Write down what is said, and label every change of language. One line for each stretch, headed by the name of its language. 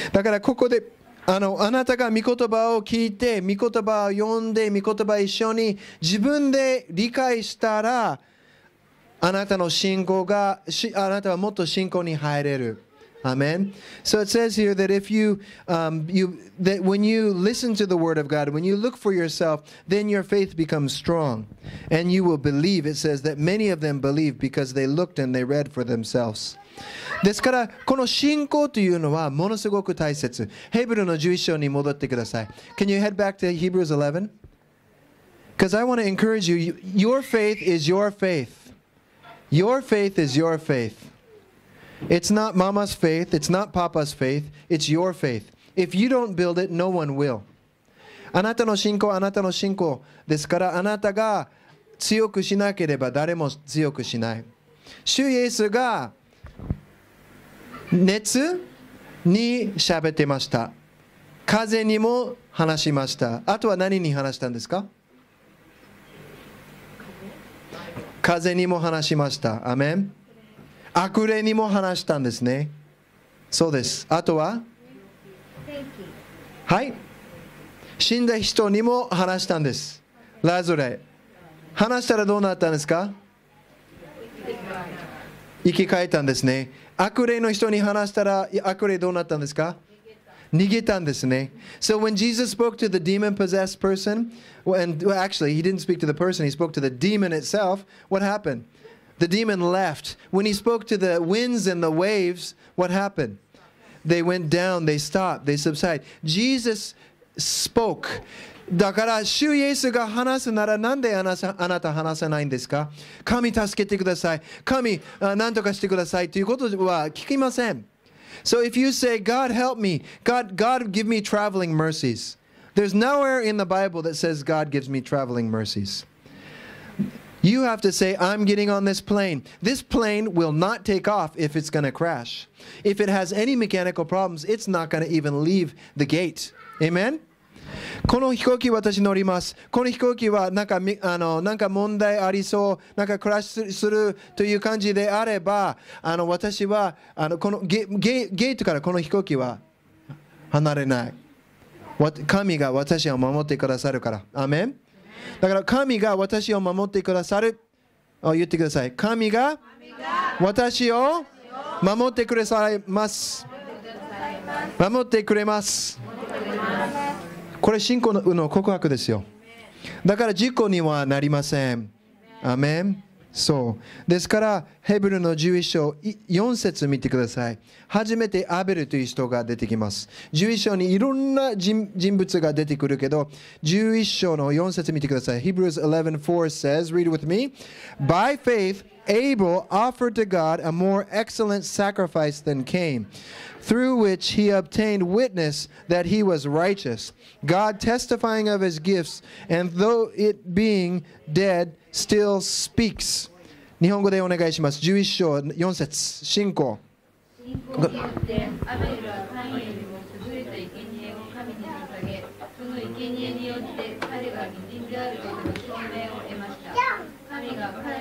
Japanese: だからここで、あの、あなたが御言葉を聞いて、御言葉を読んで、御言葉を一緒に自分で理解したら、あなたの信仰が、あなたはもっと信仰に入れる。アメン。
English: So it says here that if you, that when you listen to the word of God, when you look for yourself, then your faith becomes strong. And you will believe, it says that many of them believed because they looked and they read for themselves.
Japanese: ですから、この信仰というのはものすごく大切。ヘブルの11章に戻ってください。
English: Can you head back to Hebrews 11? Because I want to encourage you, your faith is your faith. Your faith is your faith. It's not mama's faith, it's not papa's faith, it's your faith. If you don't build it, no one will.
Japanese: あなたの信仰、あなたの信仰ですから、あなたが強くしなければ誰も強くしない。主イエスが熱に喋ってました。風にも話しました。あとは何に話したんですか？風にも話しました。アメン。悪霊にも話したんですね。そうです。あとは、はい、死んだ人にも話したんです。ラズレ。話したらどうなったんですか？生き返ったんですね。悪霊の人に話したら悪霊どうなったんですか？逃げたんですね。
English: So when Jesus spoke to the demon-possessed person, actually he didn't speak to the person, he spoke to the demon itself, what happened? The demon left. When he spoke to the winds and the waves, what happened? They went down, they stopped, they subsided. Jesus spoke.
Japanese: だから主イエスが話すなら、なんであなた話せないんですか。神助けてください、神何とかしてくださいということは聞きません。
English: So if you say God help me, God give me traveling mercies, there's nowhere in the Bible that says God gives me traveling mercies. You have to say I'm getting on this plane. This plane will not take off if it's going to crash. If it has any mechanical problems, it's not going to even leave the gate. Amen?
Japanese: この飛行機私乗ります、この飛行機はなんか問題ありそう、なんかクラッシュするという感じであれば、私はこの ゲートからこの飛行機は離れない。神が私を守ってくださるから。アメン。だから神が私を守ってくださる、言ってください。神が私を守ってくださいます、守ってくれます。これ信仰の告白ですよ。だから事故にはなりません。アメン。そうですから、ヘブルの11章4節見てください。初めてアベルという人が出てきます。11章にいろんな人物が出てくるけど、11章の4節見てください。
English: Hebrews 11:4 says, read with me. By faith Abel offered to God a more excellent sacrifice than Cain, through which he obtained witness that he was righteous, God testifying of his gifts, and though it being dead, still speaks.
Japanese: 日本語でお願いします。11章4節、信仰。信仰によってアベルは神よりも優れた生贄を神に捧げ、その生贄によって彼が義人であることの証明を得ました。